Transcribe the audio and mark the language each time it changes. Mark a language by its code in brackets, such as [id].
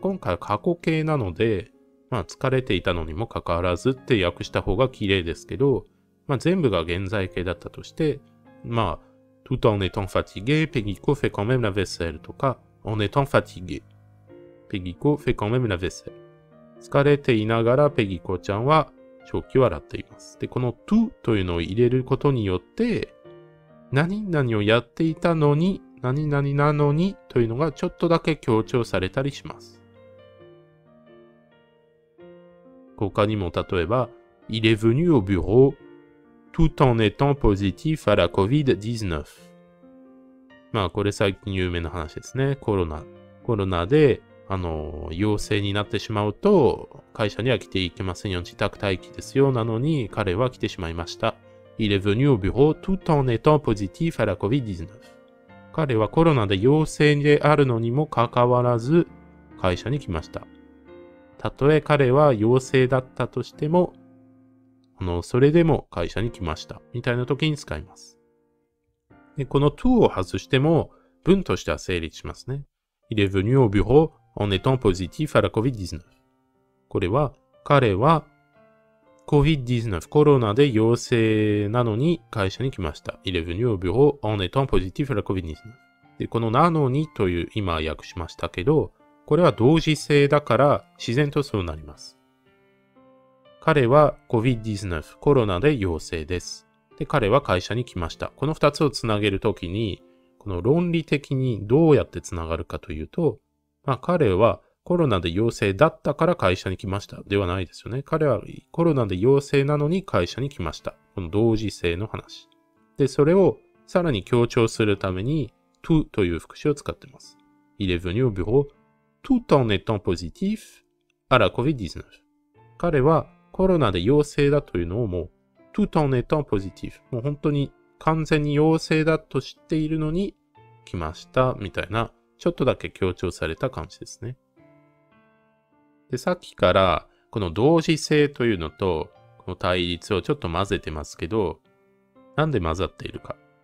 [ja] 今回は過去形なので、まあ、疲れていたのにもかかわらずって訳した方が綺麗ですけど、まあ、全部が現在形だったとして、まあ、 [fr] tout en étant fatigué, [ja] ペギコ [fr] fait quand même la vaisselle [ja] とか、 [fr] en étant fatigué, [ja] ペギコ fait quand même la vaisselle。疲れていながらペギコちゃんは食器を洗っています。で、この to というのを入れることによって、何々をやっていたのに、何々なのにというのがちょっとだけ強調されたりします。 [fr] 他にも例えば、il est venu au bureau tout en étant positif à la COVID-19。 [ja] まあ、これ最近有名な話ですね。コロナ。コロナで、陽性になってしまうと、会社には来ていけませんよ。自宅待機ですよ。なのに、彼は来てしまいました。 [fr] Il est venu au bureau tout en étant positif à la COVID-19。 [ja] 彼はコロナで陽性であるのにもかかわらず、会社に来ました。たとえ彼は陽性だったとしても、それでも会社に来ました。みたいな時に使います。でこの to を外しても、文としては成立しますね。 [fr] Il est venu au bureau en étant positif à la COVID-19。 [ja] これは、彼は COVID-19、コロナで陽性なのに会社に来ました。 [fr] Il est venu au bureau en étant positif à la COVID-19。 [ja] で、このなのにという今訳しましたけど、これは同時性だから自然とそうなります。彼は COVID-19、コロナで陽性です。で、彼は会社に来ました。この二つをつなげるときに、この論理的にどうやってつながるかというと、まあ彼はコロナで陽性だったから会社に来ましたではないですよね。彼はコロナで陽性なのに会社に来ました。この同時性の話。で、それをさらに強調するために、to という副詞を使っています。 [fr] Il est venu au bureau tout en étant positif à la COVID-19。 [ja] 彼はコロナで陽性だというのをもう、 [fr] tout en étant positif。 [ja] もう本当に完全に陽性だと知っているのに来ました、みたいな。ちょっとだけ強調された感じですね。で、さっきから、この同時性というのと、この対立をちょっと混ぜてますけど、なんで混ざっているか。